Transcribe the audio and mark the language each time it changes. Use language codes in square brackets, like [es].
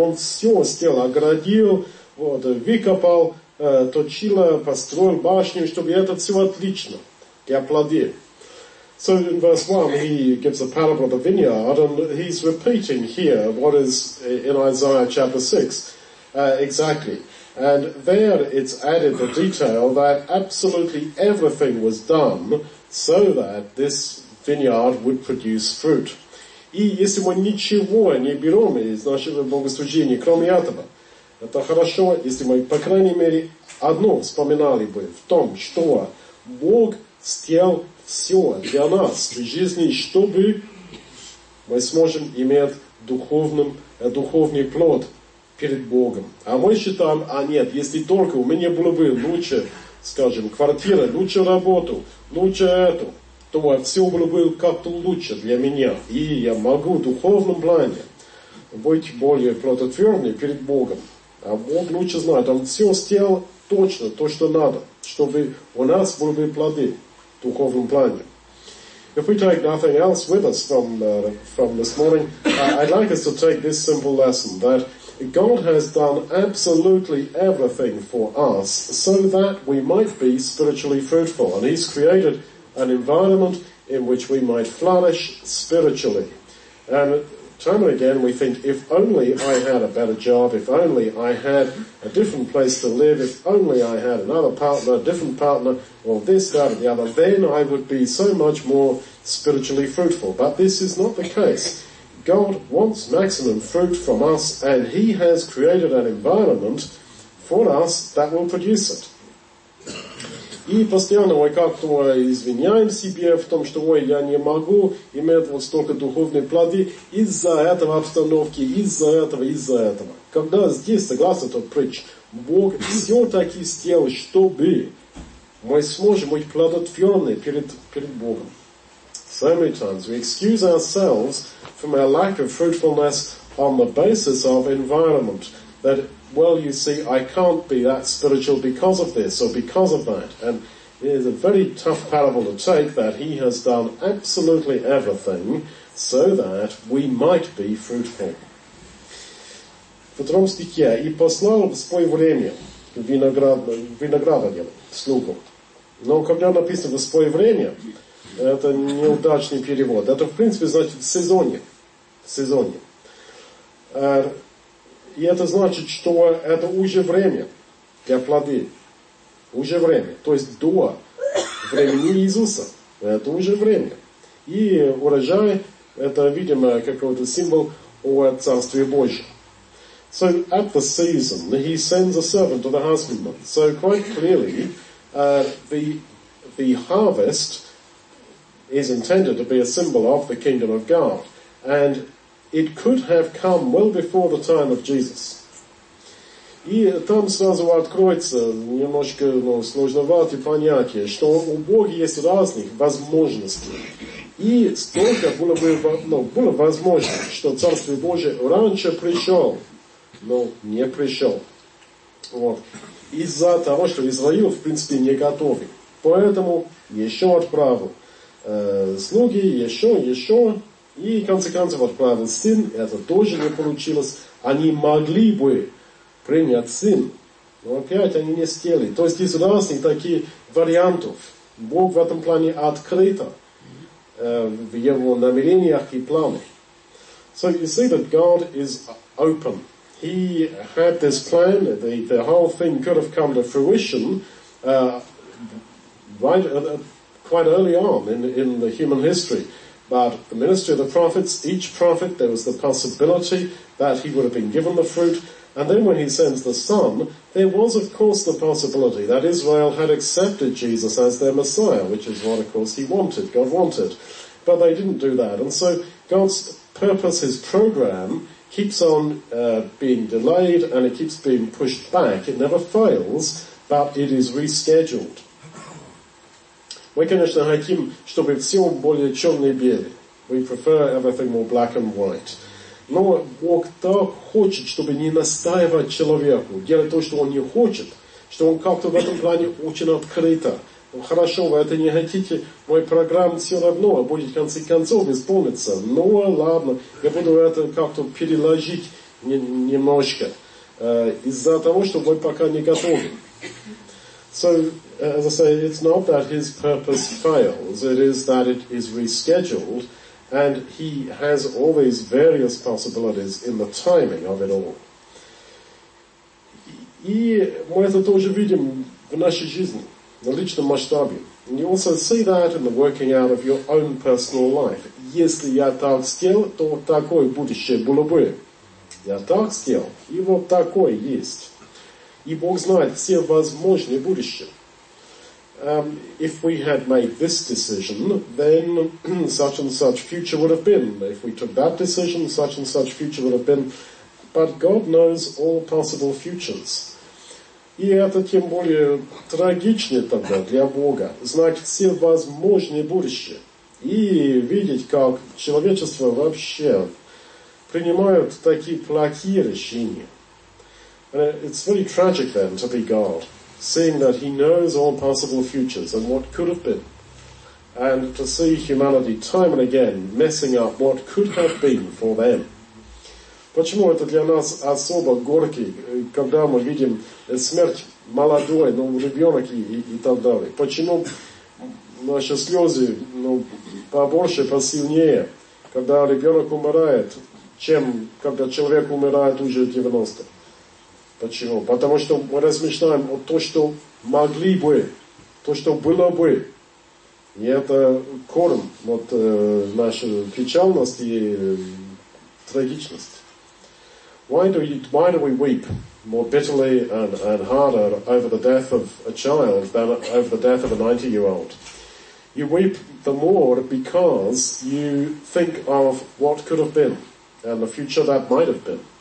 [ru] Он все сделал, оградил, выкопал, точил, построил башню, чтобы это все отлично для плоды. [en] So in verse 1 he gives a parable of the vineyard and he's repeating here what is in Isaiah chapter 6 exactly. And there it's added the detail that absolutely everything was done so that this vineyard would produce fruit. [ru] И если мы ничего не берем из нашего богослужения, кроме этого, это хорошо, если мы, по крайней мере, одно вспоминали бы в том, что Бог сделал все для нас в жизни, чтобы мы сможем иметь духовный плод перед Богом. А мы считаем, нет, если только у меня было бы лучше, скажем, квартира, лучше работу, лучше эту, то все было бы как-то лучше для меня. И я могу в духовном плане быть более плодотворным перед Богом. А Бог лучше знает, он все сделал точно то, что надо, чтобы у нас были бы плоды в духовном плане. [en] If we take nothing else with us from this morning, I'd like us to take this simple lesson that God has done absolutely everything for us so that we might be spiritually fruitful. And he's created an environment in which we might flourish spiritually. And time and again we think, if only I had a better job, if only I had a different place to live, if only I had another partner, a different partner, or this, that, or the other, then I would be so much more spiritually fruitful. But this is not the case. God wants maximum fruit from us, and he has created an environment for us that will produce it. [ru] И постоянно мы как-то извиняем себе в том, что я не могу иметь вот столько духовных плодов из-за этого обстановки, из-за этого. Когда здесь, согласно тот притч, Бог все-таки сделал, чтобы мы сможем быть плодотворны перед Богом. [en] So many times we excuse ourselves from our lack of fruitfulness on the basis of environment. That, well, you see, I can't be that spiritual because of this or because of that. And it is a very tough parable to take that he has done absolutely everything so that we might be fruitful. [ru] В втором стихе, и послал в свое время виноградарям, слугам. Но когда написано в свое время, это неудачный перевод. Это, в принципе, значит в сезоне. И это значит, что это уже время для плоды. Уже время. То есть до времени Иисуса. Это уже время. И урожай, это, видимо, какой-то символ о Царстве Божьем. [en] So at the season, he sends a servant to the husbandman. So quite clearly, the harvest is intended to be a symbol of the kingdom of God. And it could have come well before the time of Jesus. [ru] И там сразу откроется немножко сложноватое понятие, что у Бога есть разные возможности. И столько было бы было возможно, что Царствие Божие раньше пришел, но не пришел. Из-за того, что Израиль, в принципе, не готов. Поэтому еще отправил слуги, еще. И, в конце концов, отправил сын, это тоже не получилось. Они могли бы принять сын, но опять они не сделали. То есть, есть разные такие вариантов. Бог в этом плане открыто в его намерениях и планах. [en] So, you see that God is open. He had this plan, the whole thing could have come to fruition right quite early on in the human history. But the ministry of the prophets, each prophet, there was the possibility that he would have been given the fruit. And then when he sends the Son, there was, of course, the possibility that Israel had accepted Jesus as their Messiah, which is what, of course, he wanted, God wanted. But they didn't do that. And so God's purpose, his program, keeps on being delayed and it keeps being pushed back. It never fails, but it is rescheduled. [ru] Мы, конечно, хотим, чтобы все более черно-белое. [en] We prefer everything more black and white. [ru] Но Бог так хочет, чтобы не настаивать человеку, делать то, что он не хочет, что он как-то в этом плане очень открыто. Ну, хорошо, вы это не хотите, мой программ все равно будет в конце концов исполниться. Ну ладно, я буду это как-то переложить немножко. Из-за того, что вы пока не готовы. [en] So, as I say, it's not that his purpose fails, it is that it is rescheduled, and he has all these various possibilities in the timing of it all. [ru] И мы это тоже видим в нашей жизни, на личном масштабе. [en] And you also see that in the working out of your own personal life. [ru] Если я так сделал, то такое будущее было бы. Я так сделал, и вот такое есть. И Бог знает все возможные будущие. [en] If we had made this decision, then such and such future would have been. If we took that decision, such and such future would have been. But God knows all possible futures. [ru] И это тем более трагичнее тогда для Бога. Знать все возможные будущие. И видеть, как человечество вообще принимает такие плохие решения. [en] And it's very tragic then to be God, seeing that he knows all possible futures and what could have been, and to see humanity time and again messing up what could have been for them. [ru] Почему это для нас особо горький, когда мы видим смерть молодой, ну, ребенок и так далее? Почему наши слезы, ну, побольше, посильнее, когда ребенок умирает, чем когда человек умирает уже 90? Почему? Потому что мы размышляем о том, что могли бы, то, что было бы. И это корм вот, нашей печальности и трагичности. [en] Why do we weep more bitterly and harder over the death of a child than over the death of a 90-year-old? You weep the more because you think of what could have been and the future that might have been.